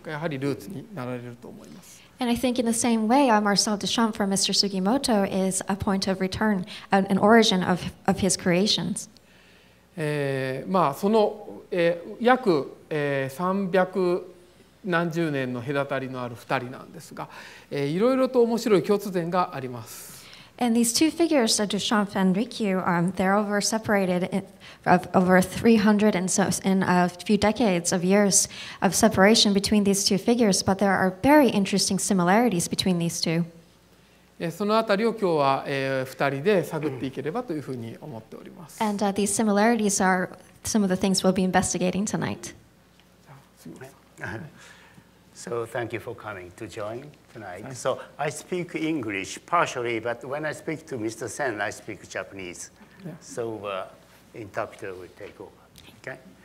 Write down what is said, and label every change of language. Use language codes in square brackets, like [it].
[ja] そして、杉本さんにとってはやはりデュシャンという人が杉本さん自身の創作の原点というか、やはりルーツになられると思います。 [en] And I think in the same way, Marcel Duchamp for Mr. Sugimoto is a point of return, an origin of his creations. [ja] その約300何十年の隔たりのある2人なんですが、いろいろと面白い共通点があります。 [en] And these two figures, Duchamp and Rikyu, they're over separated of over 300 and so in a few decades of years of separation between these two figures, but there are very interesting similarities between these two. [ja] そのあたりを今日は2人で探っていければというふうに思っております。 [en] And these similarities are some of the things we'll be investigating tonight. So thank you for coming to join tonight. Thanks. So I speak English partially, but when I speak to Mr. Sen, I speak Japanese. Yeah. So interpreter will take over, okay?